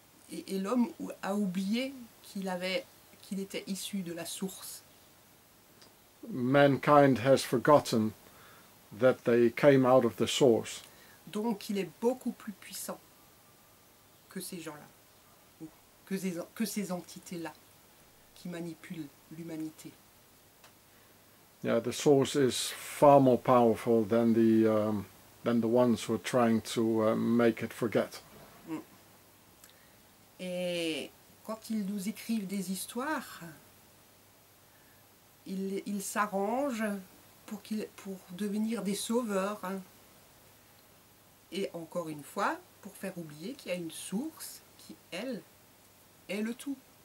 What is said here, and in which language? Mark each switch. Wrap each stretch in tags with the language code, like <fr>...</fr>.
<fr>Et l'homme a oublié qu'il était issu de la source.</fr> <en>Mankind has forgotten that they came out of the source.</en> <fr>Donc il est beaucoup plus puissant que ces gens-là, que ces entités-là qui manipulent l'humanité.</fr> <en>Yeah, the source is far more powerful than the ones who are trying to make it forget.</en> <fr>Et quand ils nous écrivent des histoires, ils s'arrangent pour devenir des sauveurs. Et encore une fois, pour faire oublier qu'il y a une source qui, elle, est le tout.</fr>